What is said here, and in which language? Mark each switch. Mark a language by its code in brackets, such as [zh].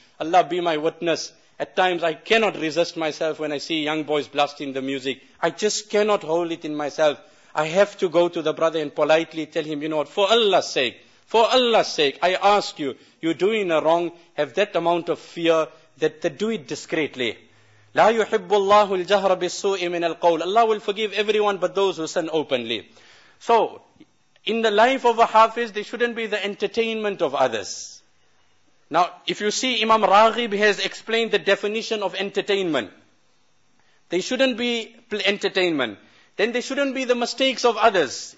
[en] Allah be my witness. At times I cannot resist myself when I see young boys blasting the music. I just cannot hold it in myself. I have to go to the brother and politely tell him, you know what, for Allah's sake, I ask you, you're doing a wrong, have that amount of fear, that to do it discreetly. [ar] لا يحب الله الجهر بالسوء من القول. [en] Allah will forgive everyone but those who sin openly. So, in the life of a Hafiz, there shouldn't be the entertainment of others. Now, if you see, Imam Raghib has explained the definition of entertainment. There shouldn't be entertainment. Then there shouldn't be the mistakes of others.